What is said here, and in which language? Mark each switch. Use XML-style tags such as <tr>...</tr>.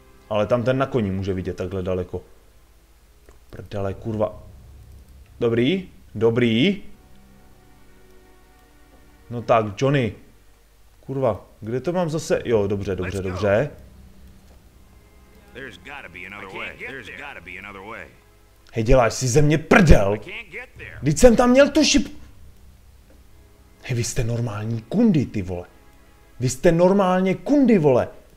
<cs>Ale tam ten na koni může vidět takhle daleko. Prdele, kurva. Dobrý. No tak, Johnny. Kurva, kde to mám zase? Jo, dobře.</cs> <en>There's got to be another way. There's got to be another way.</en> <cs>Hej, děláš si ze mě prdel. Vždyť jsem tam měl tu šip... Hej, vy jste normální kundy, ty vole. Vy jste normálně kundy, vole.</cs>